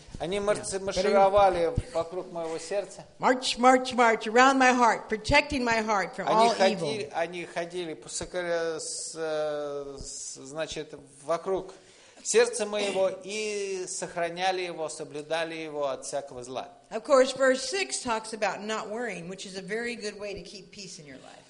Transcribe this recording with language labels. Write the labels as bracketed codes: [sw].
[ru] Они маршировали вокруг моего сердца. [en] March, march, march around my heart, protecting my heart from all evil. [ru] Они ходили, значит, вокруг сердца моего и сохраняли его, соблюдали его от всякого зла. [en] Of course, verse 6 talks about not worrying, which is a very good way to keep peace in your life.